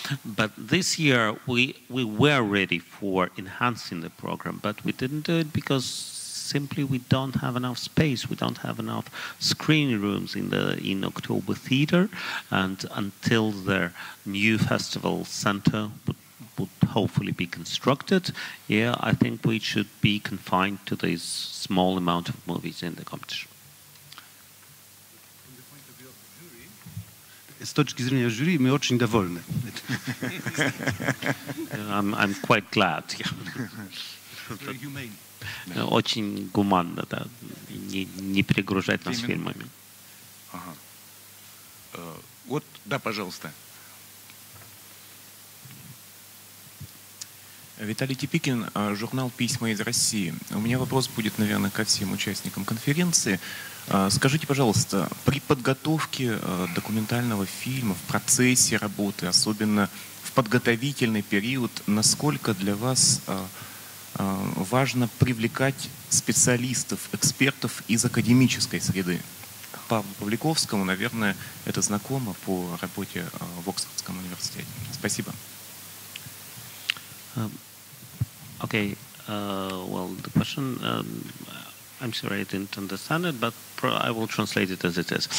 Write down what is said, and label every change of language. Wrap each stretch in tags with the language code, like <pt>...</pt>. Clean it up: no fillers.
<en>But this year we were ready for enhancing the program, but we didn't do it because simply we don't have enough space, we don't have enough screening rooms in October theater, and until the new festival center would hopefully be constructed, yeah, I think we should be confined to this small amount of movies in the competition.</en> <ru>С точки зрения жюри мы очень довольны.</ru> <en>I'm quite glad.</en> <ru>Очень гуманно, да, не перегружать нас фильмами. Ага. Вот, да, пожалуйста. Виталий Типикин, журнал «Письма из России». У меня вопрос будет, наверное, ко всем участникам конференции. Скажите, пожалуйста, при подготовке документального фильма, в процессе работы, особенно в подготовительный период, насколько для вас важно привлекать специалистов, экспертов из академической среды? Павлу Павликовскому, наверное, это знакомо по работе в Оксфордском университете. Спасибо.</ru> <en>Okay, well, the question, I'm sorry I didn't understand it, but I will translate it as it is.</en>